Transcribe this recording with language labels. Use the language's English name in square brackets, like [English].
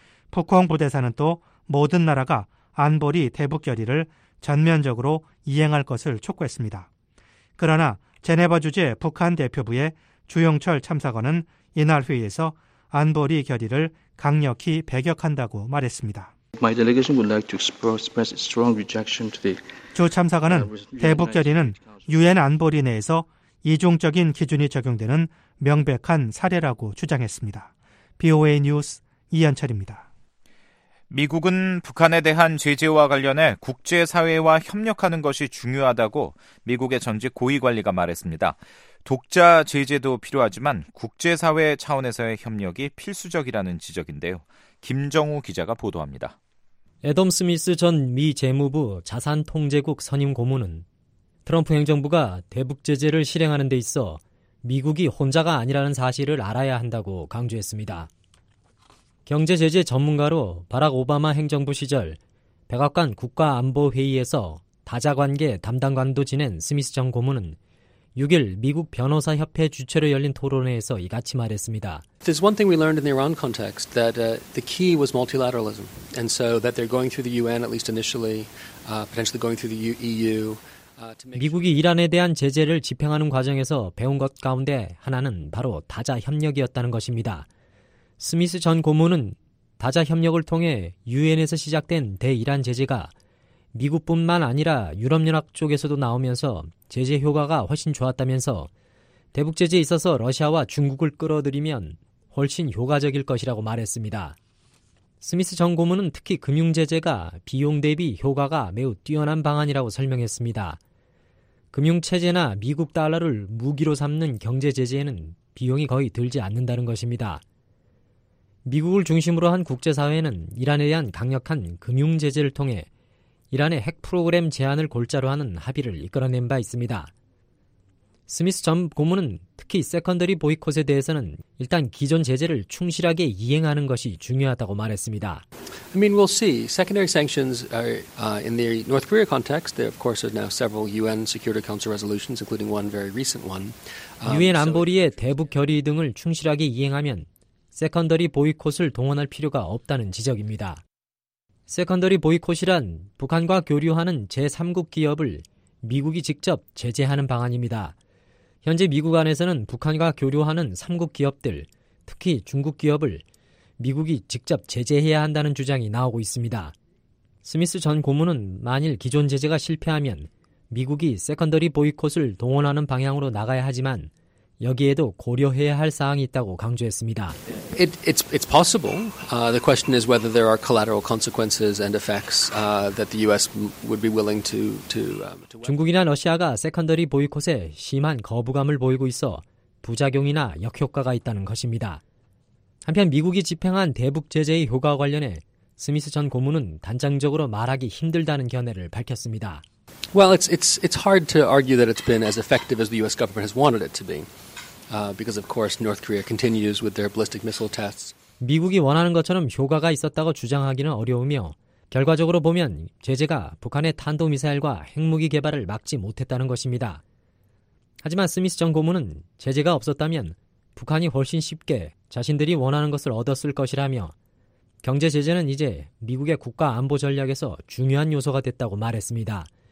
[Korean] 푸콩 부대사는 또 모든 나라가 안보리 대북 결의를 전면적으로 이행할 것을 촉구했습니다. 그러나 제네바 주재 북한 대표부의 주영철 참사관은 이날 회의에서 안보리 결의를 강력히 배격한다고 말했습니다. [English] My delegation would like to express strong rejection to the [Korean] 주 참사관은 대북 결의는 유엔 안보리 내에서 이중적인 기준이 적용되는 명백한 사례라고 주장했습니다. BOA 뉴스 이현철입니다. 미국은 북한에 대한 제재와 관련해 국제사회와 협력하는 것이 중요하다고 미국의 전직 고위관리가 말했습니다. 독자 제재도 필요하지만 국제사회 차원에서의 협력이 필수적이라는 지적인데요. 김정우 기자가 보도합니다. 애덤 스미스 전 미 재무부 자산통제국 선임 고문은 트럼프 행정부가 대북 제재를 실행하는 데 있어 미국이 혼자가 아니라는 사실을 알아야 한다고 강조했습니다. 경제 제재 전문가로 바락 오바마 행정부 시절 백악관 국가안보회의에서 다자관계 담당관도 지낸 스미스 전 고문은 6일 미국 변호사협회 주최로 열린 토론회에서 이같이 말했습니다. [English] There's one thing we learned in the Iran context that the key was multilateralism and so that they're going through the UN at least initially potentially going through the EU. [Korean] 미국이 이란에 대한 제재를 집행하는 과정에서 배운 것 가운데 하나는 바로 다자 협력이었다는 것입니다. 스미스 전 고문은 다자 협력을 통해 유엔에서 시작된 대이란 제재가 미국뿐만 아니라 유럽연합 쪽에서도 나오면서 제재 효과가 훨씬 좋았다면서 대북 제재에 있어서 러시아와 중국을 끌어들이면 훨씬 효과적일 것이라고 말했습니다. 스미스 전 고문은 특히 금융 제재가 비용 대비 효과가 매우 뛰어난 방안이라고 설명했습니다. 금융 체제나 미국 달러를 무기로 삼는 경제 제재에는 비용이 거의 들지 않는다는 것입니다. 미국을 중심으로 한 국제사회는 이란에 대한 강력한 금융 제재를 통해 이란의 핵 프로그램 제한을 골자로 하는 합의를 이끌어낸 바 있습니다. 스미스 전 고문은 특히 세컨더리 보이콧에 대해서는 일단 기존 제재를 충실하게 이행하는 것이 중요하다고 말했습니다. [English] I mean, we'll see. Secondary sanctions are in the North Korea context. There, of course, are now several UN Security Council resolutions, including one very recent one. [Korean] UN 안보리의 대북 결의 등을 충실하게 이행하면 세컨더리 보이콧을 동원할 필요가 없다는 지적입니다. 세컨더리 보이콧이란 북한과 교류하는 제3국 기업을 미국이 직접 제재하는 방안입니다. 현재 미국 안에서는 북한과 교류하는 3국 기업들, 특히 중국 기업을 미국이 직접 제재해야 한다는 주장이 나오고 있습니다. 스미스 전 고문은 만일 기존 제재가 실패하면 미국이 세컨더리 보이콧을 동원하는 방향으로 나가야 하지만 여기에도 고려해야 할 사항이 있다고 강조했습니다. [English] It's possible. The question is whether there are collateral consequences and effects that the US would be willing to [Korean] 중국이나 러시아가 세컨더리 보이콧에 심한 거부감을 보이고 있어 부작용이나 역효과가 있다는 것입니다. 한편 미국이 집행한 대북 제재의 효과 관련해 스미스 전 고문은 단정적으로 말하기 힘들다는 견해를 밝혔습니다. [English] Well, it's hard to argue that it's been as effective as the U.S. government has wanted it to be, because of course North Korea continues with their ballistic missile tests. [Korean] 미국이 원하는 것처럼 효과가 있었다고 주장하기는 어려우며 결과적으로 보면 제재가 북한의 탄도 미사일과 핵무기 개발을 막지 못했다는 것입니다. 하지만 스미스 전 고문은 제재가 없었다면 북한이 훨씬 쉽게 자신들이 원하는 것을 얻었을 것이라며 경제 제재는 이제 미국의 국가 안보 전략에서 중요한 요소가 됐다고 말했습니다.